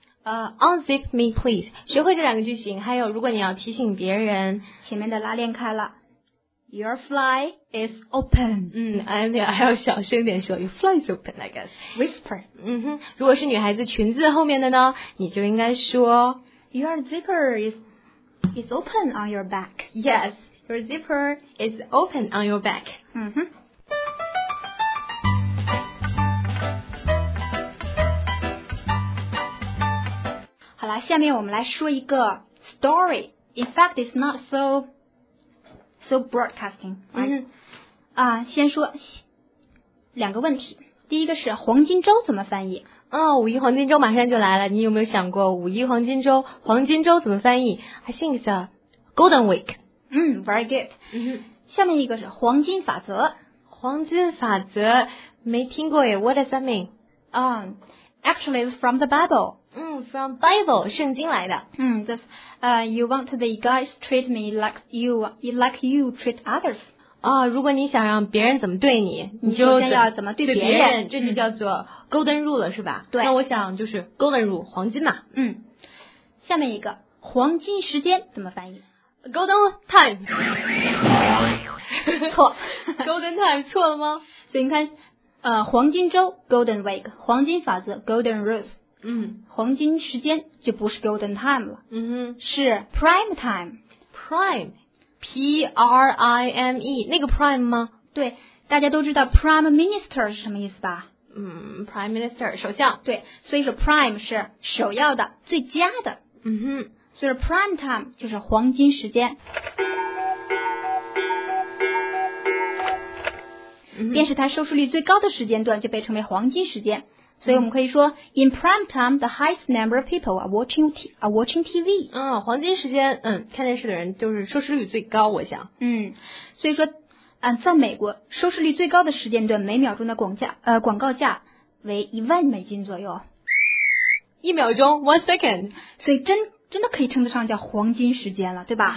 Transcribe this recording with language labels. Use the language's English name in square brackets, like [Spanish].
[English] unzip me please [Chinese] 学会这两个句型还有如果你要提醒别人前面的拉链开了 [English] Your fly is open. [Chinese] 嗯，而且还要小声点说 ， [English] Your fly is open, I guess. Whisper. [Chinese] 嗯哼，如果是女孩子裙子后面的呢，你就应该说 [English] ，Your zipper is open on your back. Yes, your zipper is open on your back. 嗯哼。 [Chinese] 下面我们来说一个 [English] story. In fact, it's not so broadcasting, right? [Chinese] 先说两个问题。第一个是黄金周怎么翻译？哦，五一黄金周马上就来了，你有没有想过五一黄金周，黄金周怎么翻译？ [English] I think it's a golden week. Very good. [Chinese] 下面一个是黄金法则。黄金法则没听过耶， [English] What does that mean? Actually, it's from the Bible. From Bible, [Chinese] 圣经来的。 [English] You want the guys treat me like you treat others. [Chinese] 如果你想让别人怎么对你，你首先要怎么对别人，这就叫做 golden rule 了，是吧？对。那我想就是 golden rule 黄金嘛。下面一个黄金时间怎么翻译 [English] ？Golden time。 [Chinese] 错。 Golden time 错了吗？所以你看，黄金周 golden week， 黄金法则 golden rules。黄金时间就不是 golden time 了。嗯哼。是 prime time。 Prime。 P-R-I-M-E, 那个 prime 吗？对，大家都知道 prime minister 是什么意思吧？ prime minister, 首相。对，所以说 prime 是首要的，最佳的。所以说 prime time 就是黄金时间。电视台收视率最高的时间段就被称为黄金时间。所以我们可以说 [English] ,in prime time, the highest number of people are watching TV. [Chinese] 黄金时间看电视的人就是收视率最高我想。所以说在美国收视率最高的时间段每秒钟的广告价为$10,000左右。一秒钟 , [English] one second. [Chinese] 所以真的可以称得上叫黄金时间了对吧